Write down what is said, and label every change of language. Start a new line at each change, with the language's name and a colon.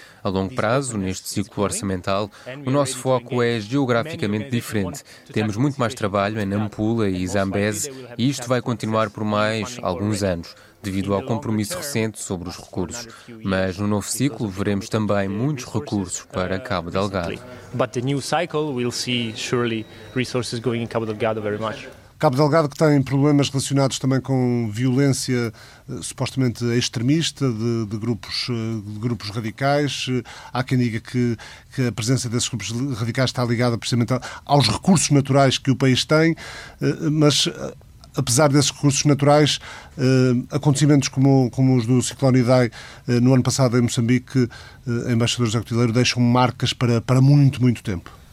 Portuguese: A longo prazo, neste ciclo orçamental, o nosso foco é geograficamente diferente. Temos muito mais trabalho em Nampula e Zambeze e isto vai continuar por mais alguns anos. devido ao compromisso recente sobre os recursos. Mas no novo ciclo veremos também muitos recursos para Cabo Delgado.
English: But the new cycle will see surely resources going in Cabo Delgado very much.
Portuguese: Cabo Delgado, que tem problemas relacionados também com violência supostamente extremista de grupos radicais. Há quem diga que a presença desses grupos radicais está ligada precisamente aos recursos naturais que o país tem, mas apesar desses recursos naturais, acontecimentos como os do ciclone Idai no ano passado em Moçambique, embaixador José Cotileiro, deixam marcas para muito, muito tempo.